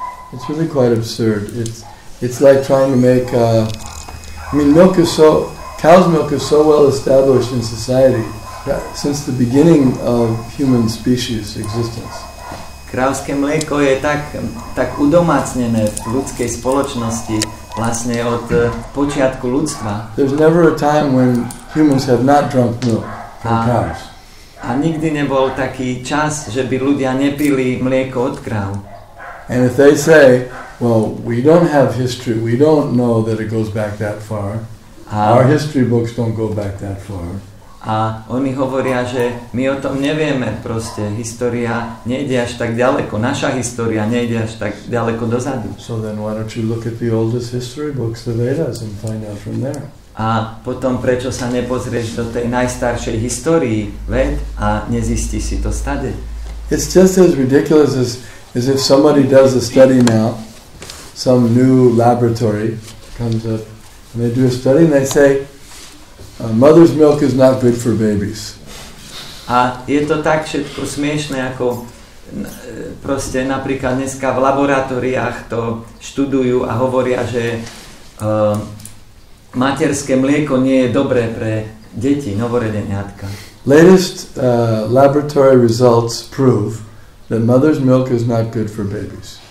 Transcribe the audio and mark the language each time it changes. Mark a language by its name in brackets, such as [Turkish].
[English] It's really quite absurd. It's like trying to make milk is so, cow's milk is so well established in society since the beginning of human species existence. [Slovak] Krávské mlieko je tak udomácnené v ľudskej spoločnosti vlastne od počiatku ľudstva. [English] There's never a time when humans have not drunk milk from cows. [Slovak] A nikdy nebol taký čas, že by ľudia nepili mlieko od kráv. [English] And if they say, well, we don't have history, we don't know that it goes back that far. Our history books don't go back that far. [Slovak] A oni hovoria, že my o tom nevieme proste. História nejde až tak ďaleko. Naša história nejde až tak ďaleko dozadu. [English] So then why don't you look at the oldest history books, the Vedas, and find out from there. [Slovak] A potom prečo sa nepozrieš do tej najstaršej histórii ved a nezisti si to stade? [English] It's just as ridiculous as if somebody does a study now, some new laboratory comes up, and they do a study and they say, mother's milk is not good for babies. [Slovak] A je to tak všetko smiešné, ako proste napríklad dneska v laboratóriách to študujú a hovoria, že materské mlieko nie je dobré pre deti, novorodeniatka. [English] Latest laboratory results prove that mother's milk is not good for babies.